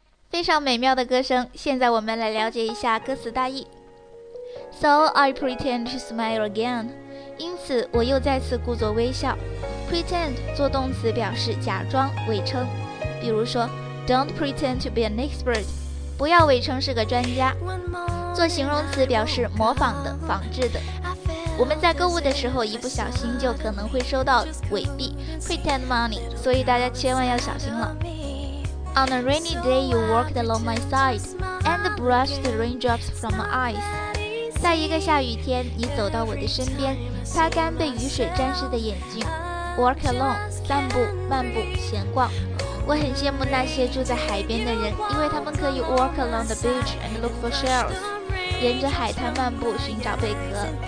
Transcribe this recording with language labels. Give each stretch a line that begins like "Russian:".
Chinese: 非常美妙的歌声，现在我们来了解一下歌词大意。
English: So I pretend to smile again，
Chinese: 因此我又再次故作微笑。 Pretend 做动词表示假装、伪称，比如说
English: Don't pretend to be an expert，
Chinese: 不要伪称是个专家。做形容词表示模仿的、仿制的，我们在购物的时候一不小心就可能会收到伪币 pretend money， 所以大家千万要小心了。
English: On a rainy day, you walked along my side and brushed the raindrops from my eyes.
Chinese: 在一个下雨天，你走到我的身边，擦干被雨水沾湿的眼睛。 Walk alone， 散步、漫步、闲逛。我很羡慕那些住在海边的人，因为他们可以
English: walk along the beach and look for shells，
Chinese: 沿着海滩漫步寻找贝壳。